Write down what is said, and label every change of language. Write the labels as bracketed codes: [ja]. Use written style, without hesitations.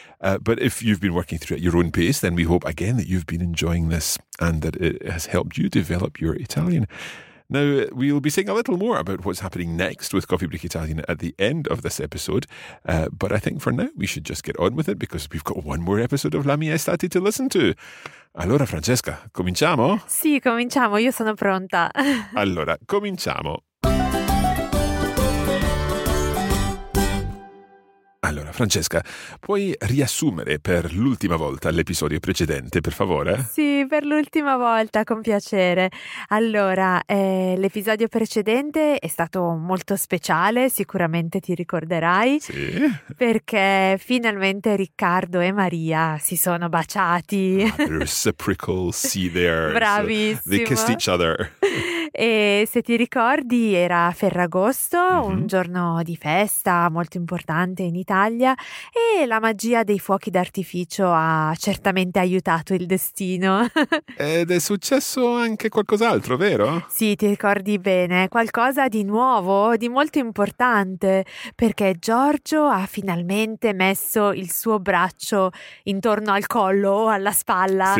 [en] But if you've been working through at your own pace, then we hope again that you've been enjoying this and that it has helped you develop your Italian. Now, we'll be saying a little more about what's happening next with Coffee Break Italian at the end of this episode. But I think for now, we should just get on with it because we've got one more episode of La Mia Estate to listen to. [it] Allora, Francesca, cominciamo? Sì, cominciamo. Io sono pronta. Allora, cominciamo. Allora, Francesca, puoi riassumere per l'ultima volta l'episodio precedente, per favore? Sì, per l'ultima volta, con piacere. Allora, l'episodio precedente è stato molto speciale, sicuramente ti ricorderai. Sì. Perché finalmente Riccardo e Maria si sono baciati. [en] Ah, reciprocal sea there. [it] Bravissimo. [en] So they kissed each other. [it] E se ti ricordi era Ferragosto, mm-hmm. un giorno di festa molto importante in Italia e la magia dei fuochi d'artificio ha certamente aiutato il destino. Ed è successo anche qualcos'altro, vero? Sì, ti ricordi bene, qualcosa di nuovo, di molto importante, perché Giorgio ha finalmente messo il suo braccio intorno al collo o alla spalla